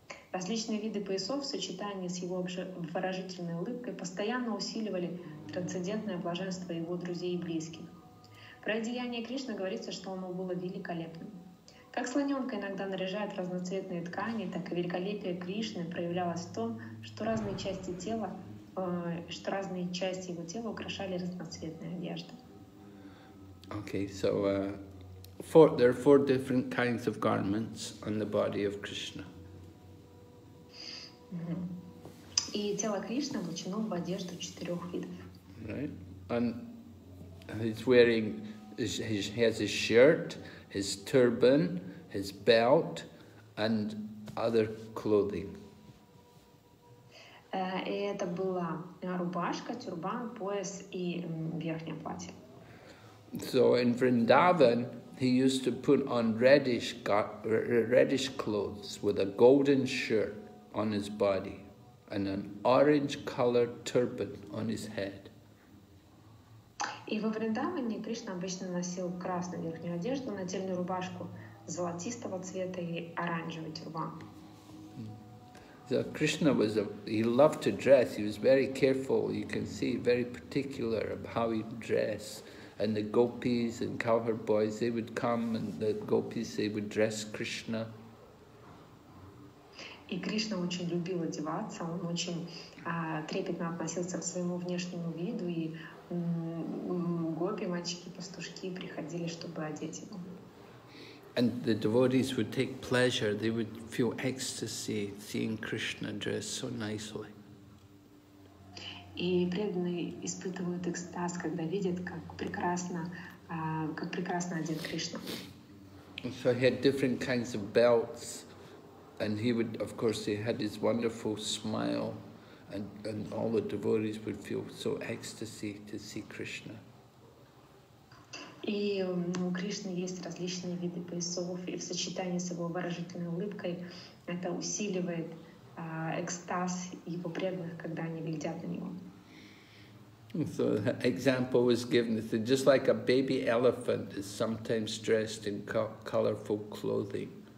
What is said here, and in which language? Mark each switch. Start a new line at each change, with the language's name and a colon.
Russian: Различные виды поясов в сочетании с его обворожительной улыбкой постоянно усиливали трансцендентное блаженство его друзей и близких. Про одеяние Кришны говорится, что оно было великолепным. Как слоненка иногда наряжает разноцветные ткани, так и великолепие Кришны проявлялось в том, что разные части его тела украшали разноцветная одежда.
English: Okay, so there are four different kinds of garments on the body of Krishna.
Russian: И тело Кришны облачено в одежду четырех видов.
English: Right, and he's wearing, he has his shirt, his turban, his belt, and other clothing.
Russian: И это была рубашка, тюрбан, пояс и верхнее платье.
English: So in Vrindavan, he used to put on reddish clothes with a golden shirt on his body and an orange-colored turban on his head.
Russian: И во Вриндаване Кришна обычно носил красную верхнюю одежду, нательную рубашку золотистого цвета и оранжевый тюрбан.
English: So Krishna he loved to dress. He was very careful. You can see very particular of how he dressed. And the gopis and cowherd boys, they would come, and the gopis, they would dress Krishna.
Russian: И Кришна очень любил одеваться. Он очень трепетно относился к своему внешнему виду, и гопи, мальчики, пастушки приходили, чтобы одеть его.
English: And the devotees would take pleasure. They would feel ecstasy seeing Krishna dressed so nicely.
Russian: И преданные испытывают экстаз, когда видят, как прекрасно одет Кришна.
English: So he had different kinds of belts, and he would, of course, he had his wonderful smile, and all the devotees would feel so ecstasy to see Krishna.
Russian: И у Кришны есть различные виды поясов, и в сочетании с его выразительной улыбкой это усиливает экстаз его преданных, когда они глядят на него.
English: So the example was given, just like a baby elephant is sometimes dressed in colorful clothing.